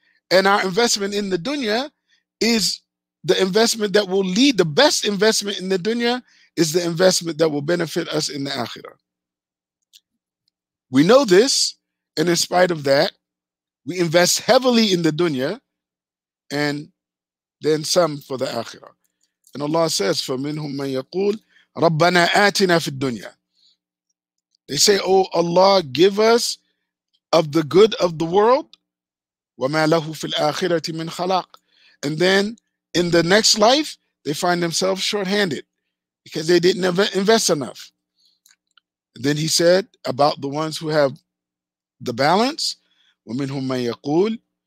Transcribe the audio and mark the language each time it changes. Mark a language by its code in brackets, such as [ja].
[en] And our investment in the dunya is the investment that will lead, the best investment in the dunya is the investment that will benefit us in the akhirah. We know this, and in spite of that, we invest heavily in the dunya and then some for the akhirah. And Allah says, [ar] فَمِنْهُمْ مَنْ يَقُولُ رَبَّنَا آتِنَا فِي الدُّنْيَا. [en] They say, oh Allah, give us of the good of the world. [ar] وَمَا لَهُ فِي الْآخِرَةِ مِنْ خَلَاقٍ. [en] And then in the next life, they find themselves shorthanded because they didn't invest enough. And then he said about the ones who have the balance, [ar] وَمِنْهُمْ مَنْ يَقُولُ.